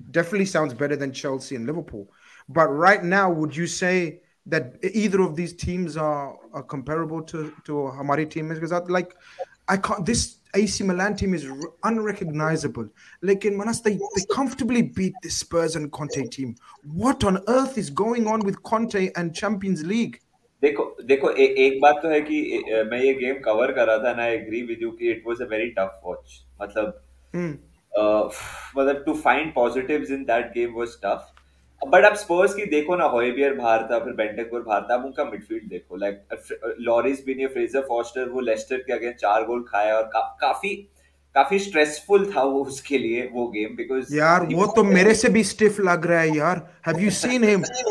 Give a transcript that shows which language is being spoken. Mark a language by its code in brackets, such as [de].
[en] Definitely sounds better than Chelsea and Liverpool. But right now, would you say that either of these teams are comparable to Hamari team? Because this AC Milan team is unrecognizable. Like in Manas, they comfortably beat the Spurs and Conte team. What on earth is going on with Conte and Champions League? [hi] देखो एक बात तो है कि मैं ये game cover कर रहा था [en] and I agree with you [hi] कि [en] it was a very tough watch. मतलब to find positives in that game was tough. [hi] But अब स्पर्स की देखो ना, होयबियर बाहर था, फिर बेंटेकुर बाहर था, अब उनका मिडफील्ड देखो, लाइक लॉरिस बिनियो फ्रेजर फॉस्टर, वो लेस्टर के अगेंस्ट चार गोल खाया और काफी काफी स्ट्रेसफुल था वो उसके लिए वो गेम, बिकॉज यार वो तो मेरे से भी स्टिफ लग रहा है यार. [en] Have you seen him?